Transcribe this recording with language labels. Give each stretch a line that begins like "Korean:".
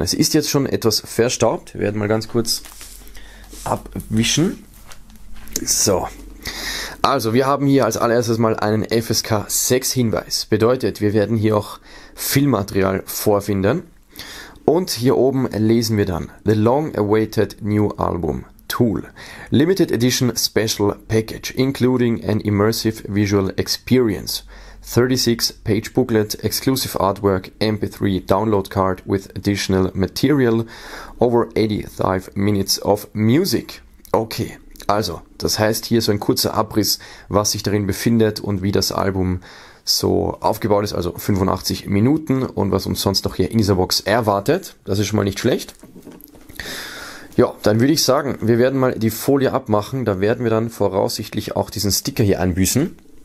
German: Es ist jetzt schon etwas verstaubt. Wir werden mal ganz kurz abwischen. So. Also, wir haben hier als allererstes mal einen FSK 6 Hinweis. Bedeutet, wir werden hier auch Filmmaterial vorfinden. Und hier oben lesen wir dann
English: The Long Awaited New Album Tool. Limited Edition Special Package, including an immersive visual experience. 36 page booklet, exclusive artwork, MP3 download card with additional material, over 85 minutes of music.
German: Okay, also, das heißt hier so ein kurzer Abriss, was sich darin befindet und wie das Album so aufgebaut ist, also 85 Minuten und was uns sonst noch hier in dieser Box erwartet. Das ist schon mal nicht schlecht. Ja, dann würde ich sagen, wir werden mal die Folie abmachen, da werden wir dann voraussichtlich auch diesen Sticker hier einbüßen.